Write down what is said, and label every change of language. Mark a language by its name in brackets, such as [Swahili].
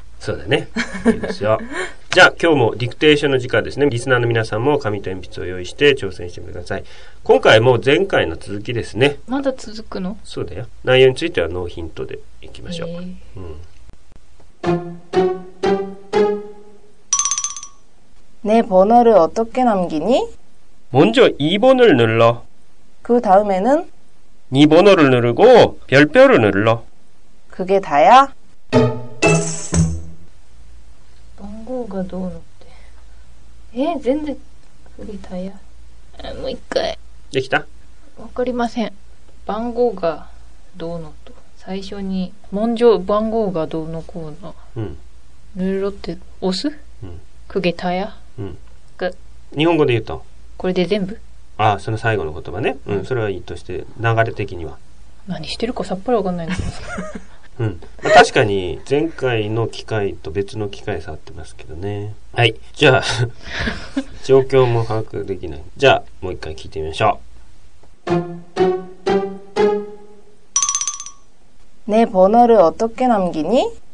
[Japanese] そうだね。いいですよ。じゃあ今日もディクテーションの時間ですね。リスナーの皆さんも紙と鉛筆を用意して挑戦してみてください。今回も前回の続きですね。まだ続くの？そうだよ。内容についてはノーヒントでいきましょう、 [Korean] 내 번호를 어떻게 남기니? 먼저 2번을 눌러. 그 다음에는? 네 번호를 누르고 별별을 눌러. 그게 다야? 번호가 [Japanese] どうなって?에? 全然 [Korean] 그게 다야? 뭐 [Japanese] 一回. できた? 分かりません。번호が どうのと。最初に [Korean] 먼저 번호가 [Japanese] どうのこうの。 눌러って 押す? [Korean] 그게다야 [Japanese] 日本語で言うとこれで全部あ、その最後の言葉ね、それはいいとして流れ的には何してるかさっぱりわかんないんです確かに前回の機械と別の機械触ってますけどね。はい、じゃあ状況も把握できない。じゃあもう一回聞いてみましょう。 [Korean] 내번호를어떻게남기니